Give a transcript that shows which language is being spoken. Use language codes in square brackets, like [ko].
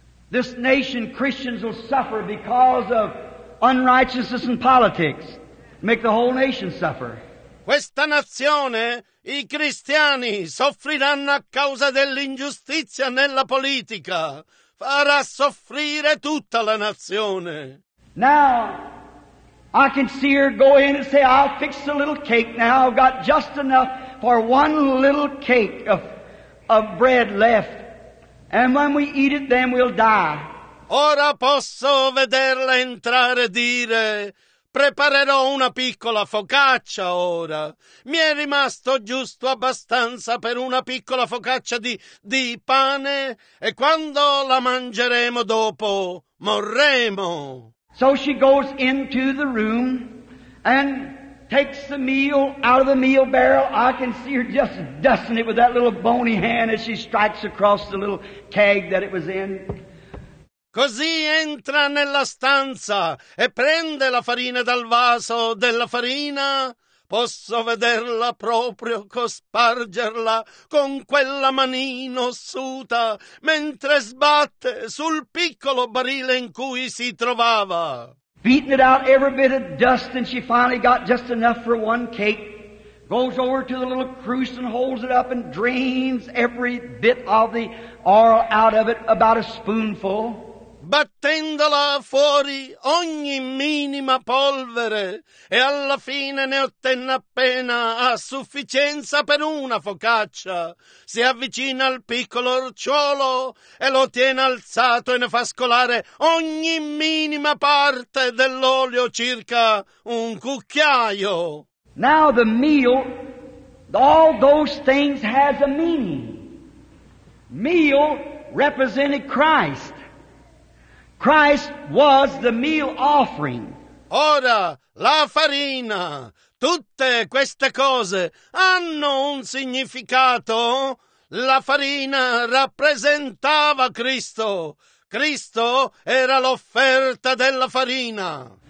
[en] This nation, Christians will suffer because of unrighteousness in politics. Make the whole nation suffer. [it] Questa nazione, i cristiani soffriranno a causa dell'ingiustizia nella politica. Farà soffrire tutta la nazione. [en] Now, I can see her go in and say, "I'll fix a little cake now. I've got just enough for one little cake of bread left. And when we eat it, then we'll die." [it] Ora posso vederla entrare e dire, "Preparerò una piccola focaccia ora. Mi è rimasto giusto abbastanza per una piccola focaccia di pane, e quando la mangeremo dopo, morremo." [en] So she goes into the room, and takes the meal out of the meal barrel. I can see her just dusting it with that little bony hand as she strikes across the little keg that it was in. [it] Così entra nella stanza e prende la farina dal vaso della farina. Posso vederla proprio cospargerla con quella manina ossuta mentre sbatte sul piccolo barile in cui si trovava. [en] Beating it out every bit of dust, and she finally got just enough for one cake. Goes over to the little cruse and holds it up and drains every bit of the oil out of it, about a spoonful. [it] Battendola fuori ogni minima polvere, e alla fine ne ottenne appena a sufficienza per una focaccia. Si avvicina al piccolo orciolo e lo tiene alzato e ne fa scolare ogni minima parte dell'olio, circa un cucchiaio. [en] Now the meal, all those things has a meaning. Meal represented Christ. Christ was the meal offering. [it] Ora, la farina, tutte queste cose hanno un significato. La farina rappresentava Cristo. Cristo era l'offerta della farina.